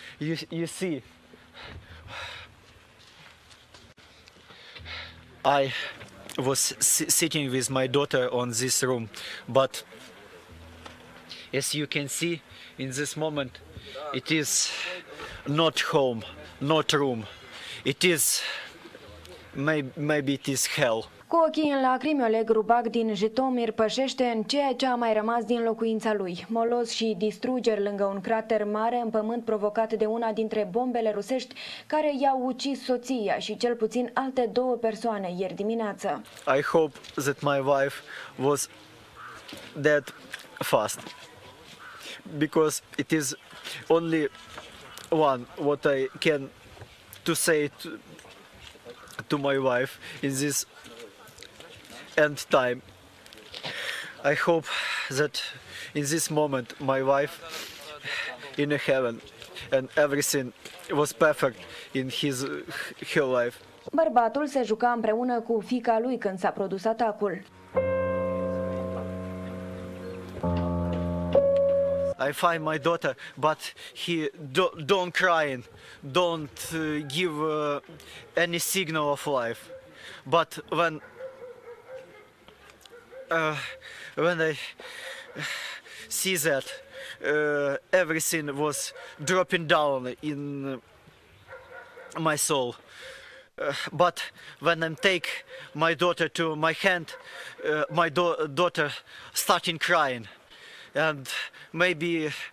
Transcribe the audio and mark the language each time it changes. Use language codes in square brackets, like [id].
[en] You see, I was sitting with my daughter on this room, but as you can see, in this moment, it is not home, not room. It is maybe it is hell. [ro] Cu ochii în lacrimi, Oleg Rubac din Jitomir pășește în ceea ce a mai rămas din locuința lui. Moloz și distrugeri lângă un crater mare în pământ provocat de una dintre bombele rusești care i-au ucis soția și cel puțin alte două persoane ieri dimineață. [en] I hope that my wife was dead fast because it is only one what I can to say to my wife in this end time. I hope that in this moment my wife in heaven and everything was perfect in her life. [ro] Bărbatul se juca împreună cu fiica lui când s-a produs atacul. [en] I find my daughter, but he don't crying, don't give any signal of life. But when I see that everything was dropping down in my soul, but when I take my daughter to my hand, my daughter starting crying, and maybe